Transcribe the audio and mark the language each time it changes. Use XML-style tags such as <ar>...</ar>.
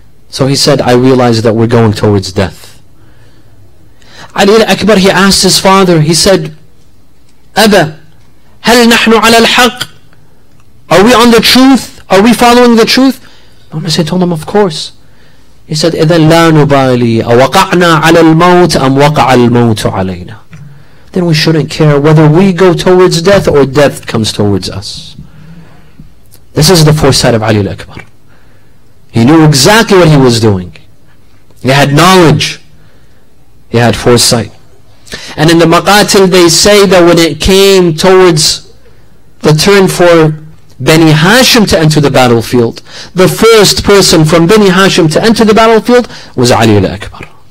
<en>So he said, I realize that we're going towards death. Ali al-Akbar, he asked his father, he said,</en> <ar>Abba, hal nahnu ala al-haq?</ar> <en>Are we on the truth? Are we following the truth? Mohsen told him, of course. He said,</en> <ar>إِذَنْ لَا نُبَالِي أَوَقَعْنَا عَلَى الْمَوْتِ أَمْ وَقَعَ الْمَوْتُ عَلَيْنَا.</ar> <en>Then we shouldn't care whether we go towards death or death comes towards us. This is the foresight of Ali al-Akbar. He knew exactly what he was doing. He had knowledge. He had foresight. And in the Maqatil, they say that when it came towards the turn for Bani Hashim to enter the battlefield, the first person from Bani Hashim to enter the battlefield was Ali al-Akbar.</en>